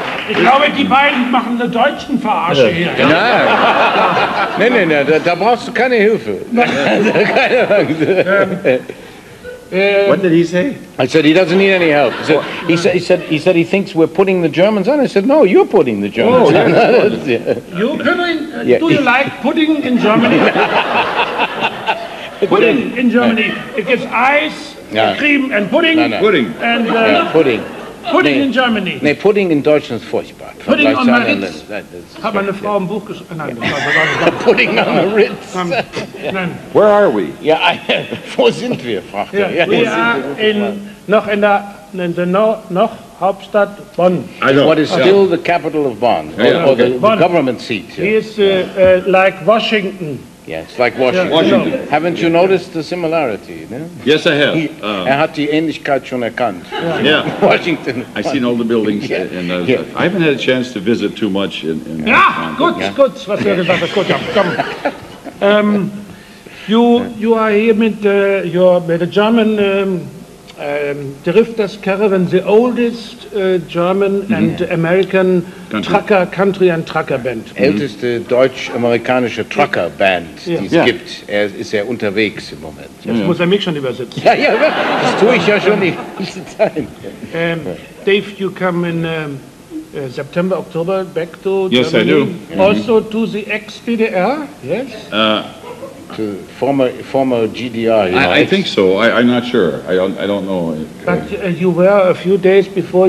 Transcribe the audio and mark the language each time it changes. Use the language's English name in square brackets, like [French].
[German] Ich glaube, die beiden machen eine deutschen Verarsche hier. Ja. Nein. Nein, da brauchst du keine Hilfe. Keine Angst. [English] What did he say? I said he doesn't need any help. He said he thinks we're putting the Germans on. I said no, you're putting the Germans on. Do you like pudding in Germany? It gives ice. Ja. Cream and pudding. Pudding. Pudding in Germany. [German] Nee, Pudding in Deutschland ist furchtbar. [English] Pudding on the Ritz. [German] Hat meine Frau ein Buch geschrieben. [English] Pudding on the Ritz. Where are we? [German] Ja, wo sind wir, fragt er. Ja, wir sind in der Hauptstadt Bonn. [English] What is still the capital of Bonn, or the government seat. [German] Hier ist [English] like Washington. Yes, like Washington. No. Haven't you noticed the similarity? No? Yes, I have. [German] Er hat die Ähnlichkeit schon erkannt. [English] Yeah. Washington. I've seen all the buildings. Yeah. And I haven't had a chance to visit too much. In ja, gut, yeah. [German] Gut, was er gesagt hat. Gut, ja, komm. [English] You are here with the German Drifters Caravan, the oldest German and American Trucker Band. [German] Älteste deutsch-amerikanische Trucker Band, die es gibt. Er ist ja unterwegs im Moment. Jetzt muss er mich schon übersetzen. Ja, ja, das tue ich ja schon die ganze Zeit. [English] Dave, you come in September, October back to Yes, Germany. I do. Also to the ex-DDR, yes? To former GDR. I think so. I'm not sure. I don't know. But you were a few days before.